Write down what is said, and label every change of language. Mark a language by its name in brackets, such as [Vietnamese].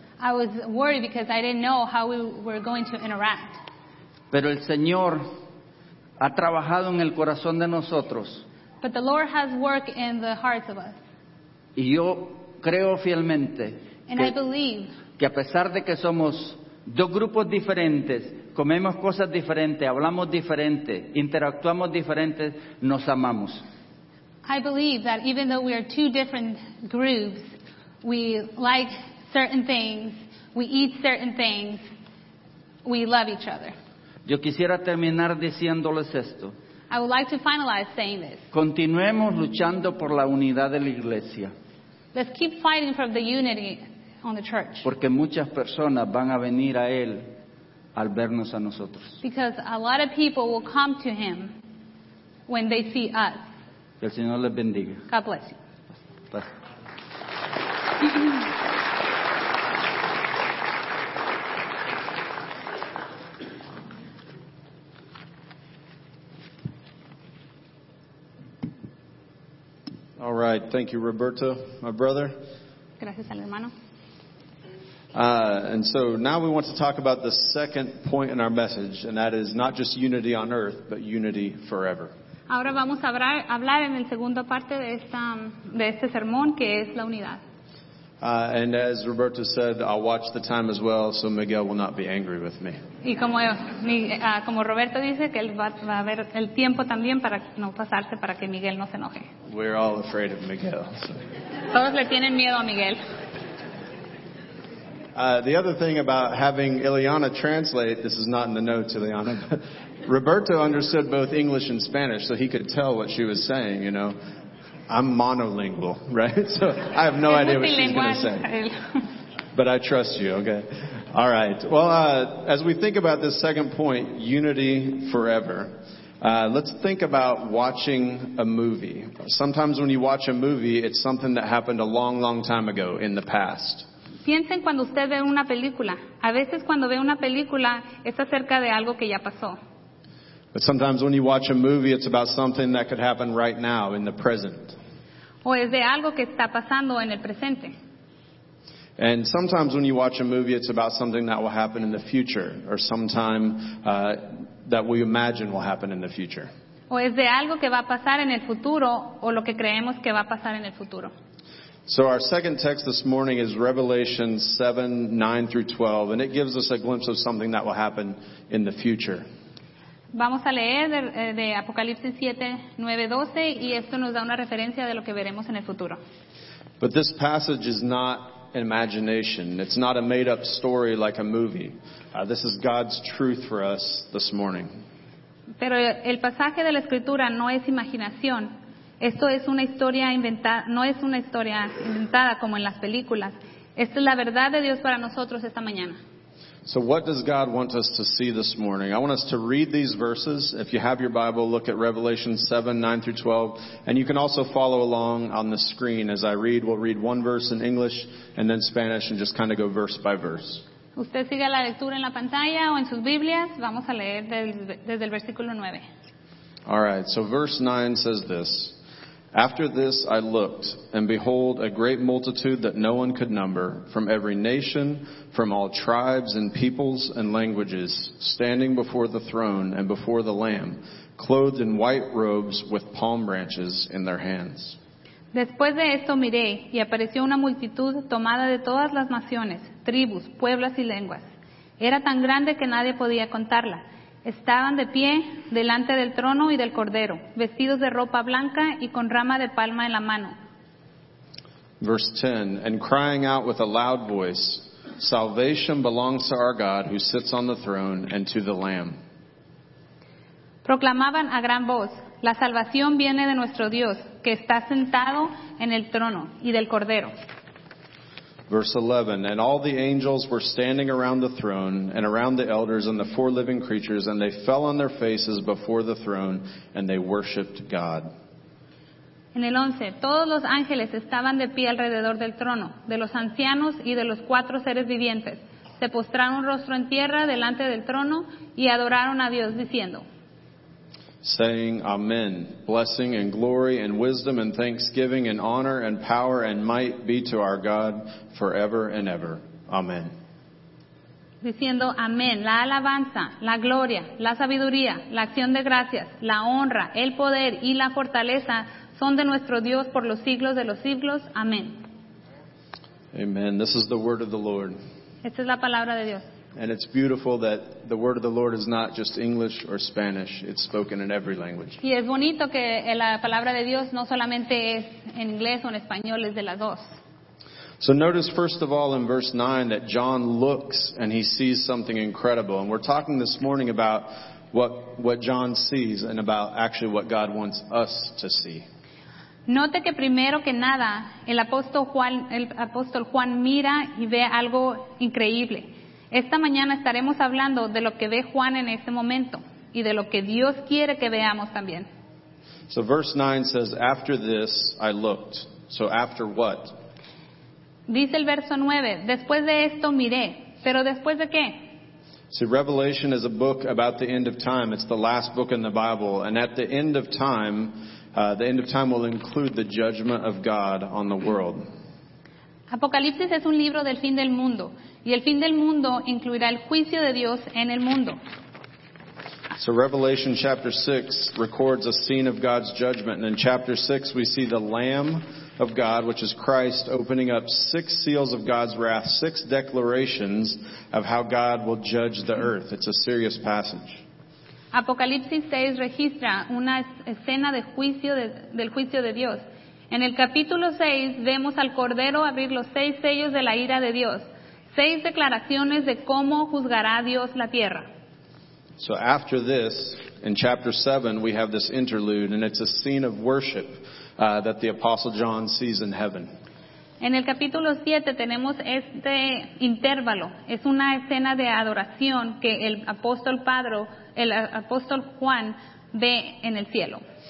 [English] I was worried because I didn't know how we were going to interact. [Spanish] Pero el Señor ha trabajado en el corazón de nosotros. [English] But the Lord has worked in the hearts of us. [Spanish] Y yo creo fielmente [English] And I believe [Spanish] que a pesar de que somos dos grupos diferentes, comemos cosas diferentes, hablamos diferente, interactuamos diferente, nos amamos. [English] I believe that even though we are two different groups, we like certain things, we eat certain things, we love each other. [Spanish] Yo quisiera terminar diciéndoles esto. [English] I would like to finalize saying this. [Spanish] Continuemos luchando por la unidad de la iglesia. [English] Let's keep fighting for the unity on the church. [Spanish] Porque muchas personas van a venir a él al vernos a nosotros. [English] Because a lot of people will come to him when they see us. [Spanish] Que el Señor les bendiga. [English] God bless you. All right. Thank you, Roberto, my brother. [Spanish] Gracias al hermano. [English] And so now we want to talk about the second point in our message, and that is not just unity on earth, but unity forever. [Spanish] Ahora vamos a hablar en la segunda parte de este sermón, que es la unidad. [English] And as Roberto said, I'll watch the time as well, so Miguel will not be angry with me. [Spanish] Y como Roberto dice, que él va a ver el tiempo también para no pasarse, para que Miguel no se enoje. [English] We're all afraid of Miguel. So. [Spanish] Todos le tienen miedo a Miguel. [English] The other thing about having Ileana translate, this is not in the notes, Ileana, but Roberto understood both English and Spanish, so he could tell what she was saying, you know. I'm monolingual, right? So I have no idea what she's going to say. But I trust you, okay? All right. Well, as we think about this second point, unity forever, let's think about watching a movie. Sometimes when you watch a movie, it's something that happened a long, long time ago in the past. [Spanish] Piensen cuando usted ve una película. A veces cuando ve una película, es acerca de algo que ya pasó. [English] But sometimes when you watch a movie, it's about something that could happen right now in the present. [Spanish] O es de algo que está pasando en el presente. [English] And sometimes when you watch a movie, it's about something that will happen in the future, or sometime that we imagine will happen in the future. [Spanish] O es de algo que va a pasar en el futuro, o lo que creemos que va a pasar en el futuro. [English] So our second text this morning is Revelation 7, 9 through 12, and it gives us a glimpse of something that will happen in the future. [Spanish] Vamos a leer de Apocalipsis 7, 9, 12, y esto nos da una referencia de lo que veremos en el futuro. [English] But this passage is not imagination. It's not a made-up story like a movie. This is God's truth for us this morning. [Spanish] Pero el pasaje de la Escritura no es imaginación. Esto es una historia inventada, no es una historia inventada como en las películas. Esta es la verdad de Dios para nosotros esta mañana. [English] So what does God want us to see this morning? I want us to read these verses. If you have your Bible, look at Revelation 7, 9 through 12. And you can also follow along on the screen as I read. We'll read one verse in English and then Spanish and just kind of go verse by verse. [Spanish] Usted siga la lectura en la pantalla o en sus Biblias. Vamos a leer desde el versículo 9. [English] All right, so verse 9 says this. After this I looked, and behold, a great multitude that no one could number, from every nation, from all tribes and peoples and languages, standing before the throne and before the Lamb, clothed in white robes with palm branches in their hands. [Spanish] Después de esto miré, y apareció una multitud tomada de todas las naciones, tribus, pueblos y lenguas. Era tan grande que nadie podía contarla. Estaban de pie delante del trono y del cordero, vestidos de ropa blanca y con rama de palma en la mano. [English] Verse 10, and crying out with a loud voice, salvation belongs to our God who sits on the throne and to the Lamb. [Spanish] Proclamaban a gran voz, la salvación viene de nuestro Dios que está sentado en el trono y del cordero. [English] Verse 11, and all the angels were standing around the throne and around the elders and the four living creatures, and they fell on their faces before the throne, and they worshipped God. [Spanish] En el 11, todos los ángeles estaban de pie alrededor del trono, de los ancianos y de los cuatro seres vivientes. Se postraron rostro en tierra delante del trono y adoraron a Dios diciendo, [English] saying, Amen. Blessing and glory and wisdom and thanksgiving and honor and power and might be to our God forever and ever. Amen. [Spanish] Diciendo, Amén. La alabanza, la gloria, la sabiduría, la acción de gracias, la honra, el poder y la fortaleza son de nuestro Dios por los siglos de los siglos. Amén. [English] Amen. This is the word of the Lord. [Spanish] Esta es la palabra de Dios. [English] And it's beautiful that the word of the Lord is not just English or Spanish. It's spoken in every language. [Spanish] Y es bonito que la palabra de Dios no solamente es en inglés o en español, es de las dos. [English] So notice first of all in verse 9 that John looks and he sees something incredible. And we're talking this morning about what John sees and about actually what God wants us to see. [Spanish] Note que primero que nada, el apóstol Juan mira y ve algo increíble. Esta mañana estaremos hablando de lo que ve Juan en este momento y de lo que Dios quiere que veamos también. [English] So verse 9 says, after this I looked. So after what? [Spanish] Dice el verso 9, después de esto miré. ¿Pero después de qué? [English] See, Revelation is a book about the end of time. It's the last book in the Bible. And at the end of time will include the judgment of God on the world. [Spanish] Apocalipsis es un libro del fin del mundo. Y el fin del mundo incluirá el juicio de Dios en el mundo. [English] So Revelation chapter 6 records a scene of God's judgment. And in chapter 6 we see the Lamb of God, which is Christ, opening up 6 seals of God's wrath, 6 declarations of how God will judge the earth. It's a serious passage. [Spanish] Apocalipsis 6 registra una escena de juicio del juicio de Dios. En el capítulo 6 vemos al Cordero abrir los 6 sellos de la ira de Dios. 6 declaraciones de cómo juzgará Dios la tierra. [English] So after this, in chapter 7, we have this interlude, and it's a scene of worship that the Apostle John sees in heaven. [Spanish] En el capítulo 7 tenemos este intervalo. Es una escena de adoración que el apóstol Juan ve en el cielo.